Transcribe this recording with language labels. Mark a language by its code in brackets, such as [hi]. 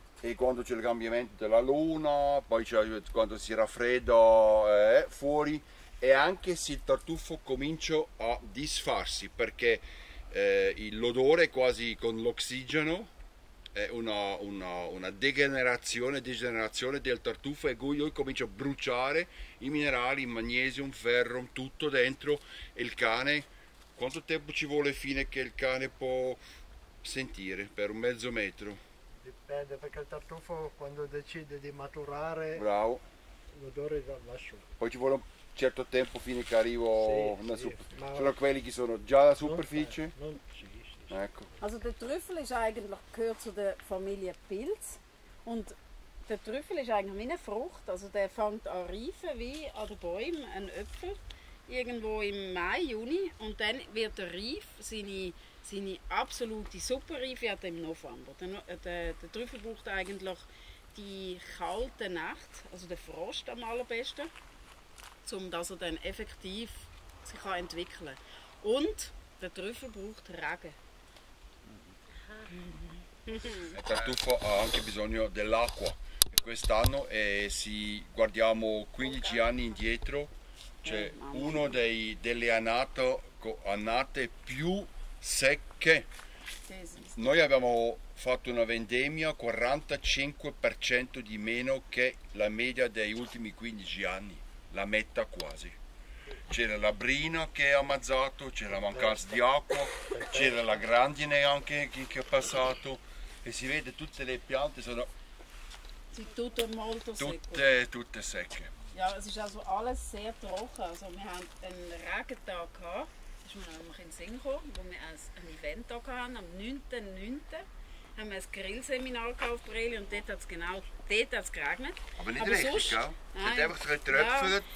[it] E quando c'è il cambiamento della luna, poi quando si raffredda fuori e anche se il tartufo comincia a disfarsi perché l'odore quasi con l'ossigeno è una degenerazione del tartufo e lui comincia a bruciare i minerali, il magnesio, il ferro, tutto dentro e il cane, quanto tempo ci vuole fino a che il cane può sentire? Per un mezzo metro? Dipende, perché il tartufo quando decide di maturare, bravo, l'odore va su. Poi ci vuole un certo tempo fino che arrivo nella superficie. Sono quelli che sono già alla superficie? Non, ecco. [de] Also der Trüffel ist eigentlich gehört zu der Familie Pilz. Und der Trüffel ist eigentlich wie eine Frucht. Also der fängt an reifen wie an den Bäumen, ein Äpfel, irgendwo im Mai, Juni. Und dann wird er reif, seine absolute Superreife hat er im November. Der Trüffel braucht eigentlich die kalte Nacht, also den Frost am allerbesten, damit er dann effektiv sich entwickeln kann. Und der Trüffel braucht Regen. [it] Der Tartufo ha anche bisogno dell'acqua. Quest'anno, se guardiamo 15 anni indietro, c'è uno delle annate ecco, annate più secche. Noi abbiamo fatto una vendemmia 45% di meno che la media degli ultimi 15 anni, la metà quasi. C'era la brina che è ammazzato, c'era la mancanza di acqua, c'era la grandine anche che è passato, e si vede tutte le piante sono tutte molto secche. Tutte secche. [de] Ja, es ist also alles sehr trocken. Also wir haben einen Regentag gehabt, das ist mir nämlich in den Sinn gekommen, wo wir ein Event hatten, am 9.9. haben wir ein Grillseminar auf Breli und dort hat es genau dort hat's geregnet. Aber nicht aber richtig, sonst, gell? Es hat einfach so getröpfelt.